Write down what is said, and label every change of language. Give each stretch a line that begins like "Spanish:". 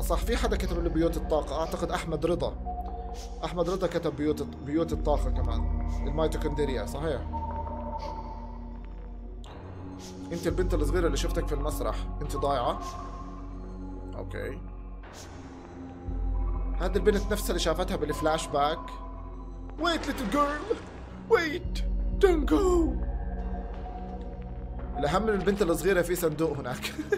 Arabic: صح في حدا كتب له بيوت الطاقة. اعتقد احمد رضا. احمد رضا كتب بيوت الطاقة كمان الميتوكوندريا. صحيح انت البنت الصغيرة اللي شفتك في المسرح انت ضايعة. اوكي هذه البنت نفسها اللي شافتها بالفلاش باك.
English: wait little girl wait don't go.
Arabic: الأهم من البنت الصغيرة في صندوق هناك.